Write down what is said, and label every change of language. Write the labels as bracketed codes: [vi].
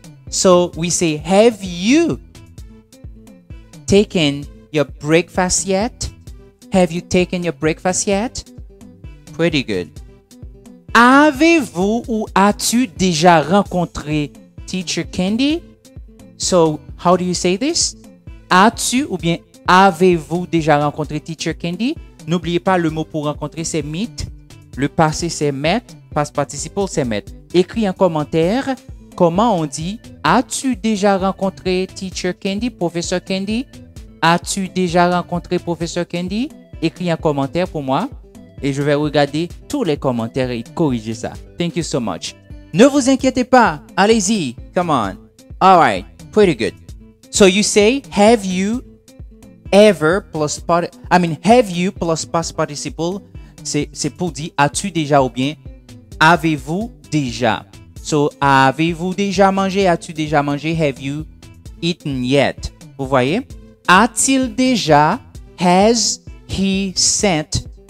[en] So we say, have you taken your breakfast yet? Have you taken your breakfast yet? Pretty good. [fr] Avez-vous ou as-tu déjà rencontré Teacher Candy? [en] So, how do you say this? [fr] As-tu ou bien avez-vous déjà rencontré Teacher Candy? N'oubliez pas le mot pour rencontrer, c'est meet. Le passé, c'est met. Past participle, c'est met. Écris en commentaire comment on dit as-tu déjà rencontré Teacher Candy, Professeur Candy? As-tu déjà rencontré Professeur Candy? Écris en commentaire pour moi. Et je vais regarder tous les commentaires et corriger ça. [en] Thank you so much. [fr] Ne vous inquiétez pas. Allez-y. [en] Come on. All right. Pretty good. So you say, have you ever plus part... I mean, have you plus past participle. [fr] C'est pour dire, as-tu déjà ou bien, avez-vous déjà. So, avez-vous déjà mangé? As-tu déjà mangé? [en] Have you eaten yet? [fr] Vous voyez? A-t-il déjà, [en] has he sent...